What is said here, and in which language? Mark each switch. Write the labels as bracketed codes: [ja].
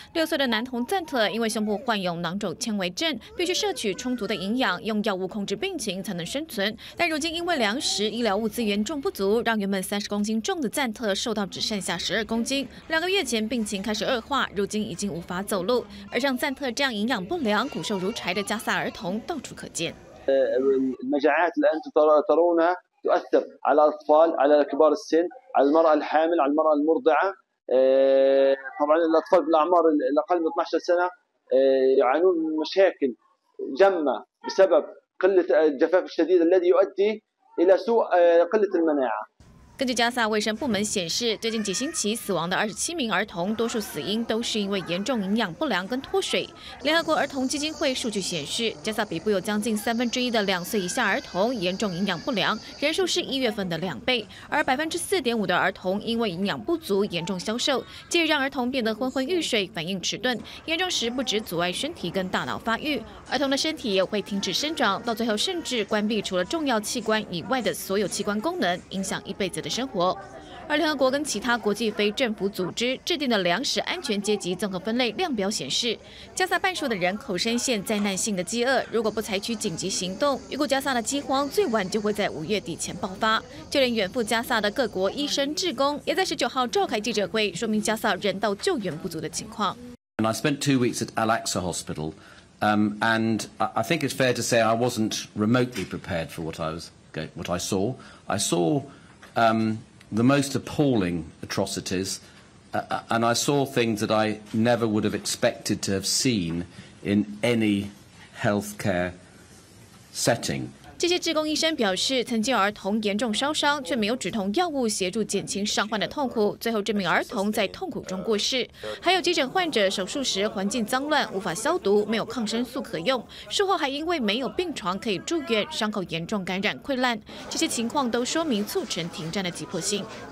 [zh] 6岁的男童赞特因为胸部患有囊肿纤维症，必须摄取充足的营养，用药物控制病情才能生存。但如今因为粮食、医疗物资严重不足，让原本30公斤重的赞特瘦到只剩下12公斤。 2个月前病情开始恶化，如今已经无法走路。而像赞特这样营养不良、骨瘦如柴的加萨儿童到处可见。 [ar] المجاعات اللي انتم ترونها تؤثر على الاطفال على كبار السن على المراه الحامل على المراه المرضعه طبعا الاطفال بالاعمار الاقل من 12 سنه يعانون من مشاكل جمه بسبب قله الجفاف الشديد الذي يؤدي الى سوء قله المناعه [zh] 根据加萨卫生部门显示，最近几星期死亡的27名儿童，多数死因都是因为严重营养不良跟脱水。联合国儿童基金会数据显示，加萨北部有将近1/3的2岁以下儿童严重营养不良，人数是1月份的2倍，而4.5%的儿童因为营养不足严重消瘦，进而让儿童变得昏昏欲睡、反应迟钝，严重时不止阻碍身体跟大脑发育，儿童的身体也会停止生长，到最后甚至关闭除了重要器官以外的所有器官功能，影响一辈子。生活。而联合国跟其他国际非政府组织制定的粮食安全阶级综合分类量表显示，加萨半数的人口深陷灾难性的饥饿，如果不采取紧急行动，预估加萨的饥荒最晚就会在五月底前爆发。就连远赴加萨的各国医生志工也在19号召开记者会，说明加萨人道救援不足的情况。 [en] And I spent 2 weeks at Al-Aqsa Hospital, and I think it's fair to say I wasn't remotely prepared for what I saw. I saw the most appalling atrocities, and I saw things that I never would have expected to have seen in any healthcare setting. [zh] 这些志工医生表示，曾经有儿童严重烧伤，却没有止痛药物协助减轻伤患的痛苦，最后这名儿童在痛苦中过世。还有急诊患者手术时环境脏乱，无法消毒，没有抗生素可用，术后还因为没有病床可以住院，伤口严重感染溃烂，这些情况都说明促成停战的急迫性。